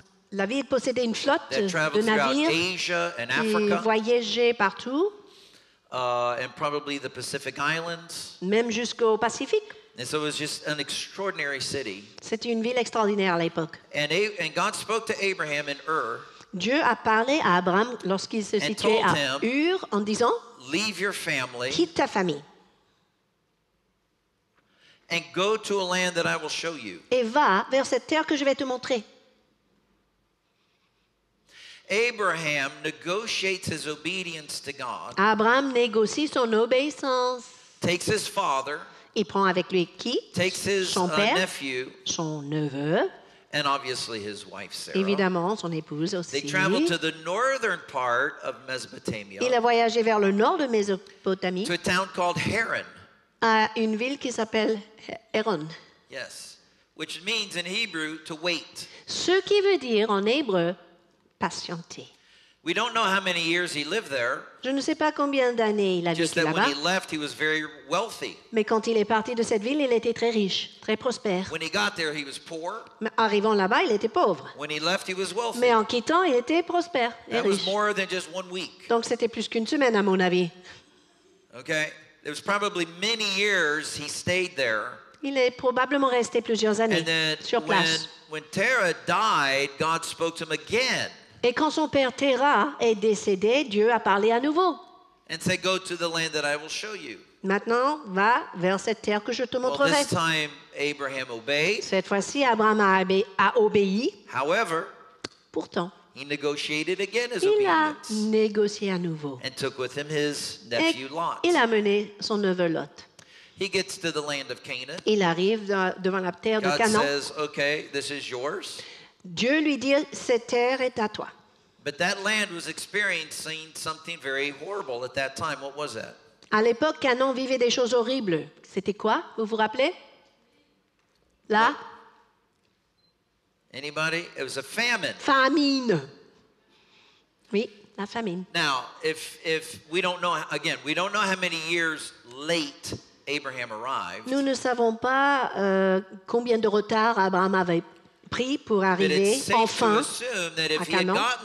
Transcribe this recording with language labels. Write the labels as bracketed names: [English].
[French] La ville possédait une flotte de navires qui voyageait partout, [English] and probably the Pacific Islands. [French] Même jusqu'au Pacifique. [English] And so it was just an extraordinary city. [French] C'était une ville extraordinaire à l'époque. [English] And God spoke to Abraham in Ur. [French] Dieu a parlé à Abraham lorsqu'il se situait à Ur en disant, [English] leave your family, [French] quitte ta famille. [English] And go to a land that I will show you. [French] Et va vers cette terre que je vais te montrer. [English] Abraham negotiates his obedience to God. [French] Abraham négocie son obéissance. [English] Takes his father. [French] Il prend avec lui qui? [English] Takes his nephew. [French] Son neveu. [English] And obviously his wife Sarah. [French] Évidemment, son épouse aussi. [English] They travel to the northern part of Mesopotamia. [French] Il a voyagé vers le nord de Mésopotamie. [English] To a town called Haran. [French] À une ville qui s'appelle Haran. [English] Yes, which means in Hebrew to wait. [French] Ce qui veut dire en hébreu patienter. [English] We don't know how many years he lived there. [French] Je ne sais pas combien d'années il a vécu là-bas. [English] Just that when he left, he was very wealthy. [French] Mais quand il est parti de cette ville, il était très riche, très prospère. [English] When he got there, he was poor. [French] Mais arrivant là-bas, il était pauvre. [English] When he left, he was wealthy. [French] Mais en quittant, il était prospère et [English] that [French] riche. [English] Was more than just one week. [French] Donc c'était plus qu'une semaine à mon avis. [English] Okay. It was probably many years he stayed there. [French] Il est probablement resté plusieurs années sur place. [English] When Terah died, God spoke to him again. [French] Et quand son père Terah est décédé, Dieu a parlé à nouveau. [English] And said, go to the land that I will show you. [French] Maintenant, va vers cette terre que je te montrerai. [English] Well, this time, Abraham obeyed. [French] Cette fois-ci, Abraham a obéi. [English] However, [French] pourtant, [English] he negotiated again his [French] il [English] obedience [French] a négocié à nouveau. [English] And took with him his nephew Lot. [French] Il a mené son neveu Lot. [English] He gets to the land of Canaan. [French] Il arrive devant la terre [English] God [French] de Canaan. [English] Says, okay, this is yours. [French] Dieu lui dit, cette terre est à toi. [English] But that land was experiencing something very horrible at that time. What was that? [French] À l'époque, Canaan vivait des choses horribles. C'était quoi? Vous vous rappelez? Là? [English] Anybody? It was a famine. [French] Famine. Oui, la famine. [English] Now, if we don't know, again, we don't know how many years late Abraham arrived. [French] Nous ne savons pas combien de retard Abraham avait pris pour arriver enfin à Canaan.